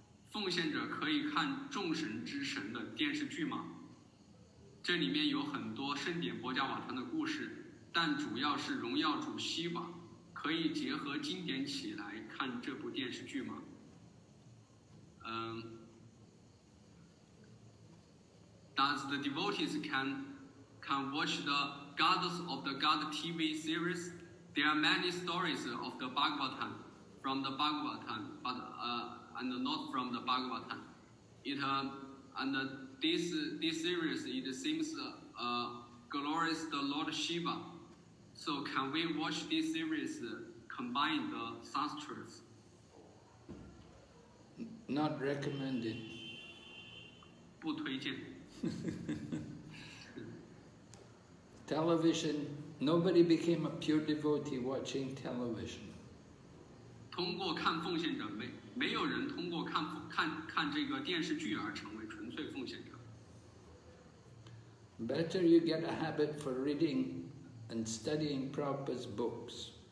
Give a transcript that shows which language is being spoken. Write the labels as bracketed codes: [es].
[zh] 奉献者可以看众神之神的电视剧吗？这里面有很多圣典伯加瓦坦的故事，但主要是荣耀主希瓦。可以结合经典起来看这部电视剧吗？ [en] Does the devotees can watch the Goddess of the God TV series? There are many stories of the Bhagavatam from the Bhagavatam, but and not from the Bhagavatam. This series, it seems glorious the Lord Shiva. So can we watch this series? Combine the sastras. Not recommended. [zh] 不推荐. [en] Television. Nobody became a pure devotee watching television. [zh] 通过看奉献者，没有人通过看这个电视剧而成为纯粹奉献者. [en] Better you get a habit for reading and studying Prabhupada's books.